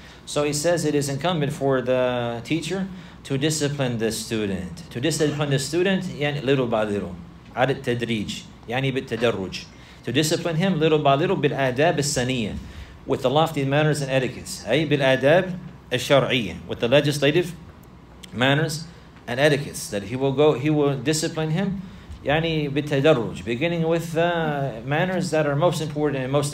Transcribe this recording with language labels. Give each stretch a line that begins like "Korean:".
English: So he says it is incumbent for the teacher to discipline the student. Yani little by little.
Arabic: عَدِ التَّدْرِيجِ يعني بالتدرج.
English: To discipline him little by little
Arabic: بِالْآدَابِ السَّنِيَّةِ.
English: With the lofty manners and etiquettes.
Arabic: أي بالآداب الشرعية.
English: With the legislative manners and etiquettes. That he will discipline him
Arabic: يعني بالتدرج.
English: Beginning with the manners that are most important.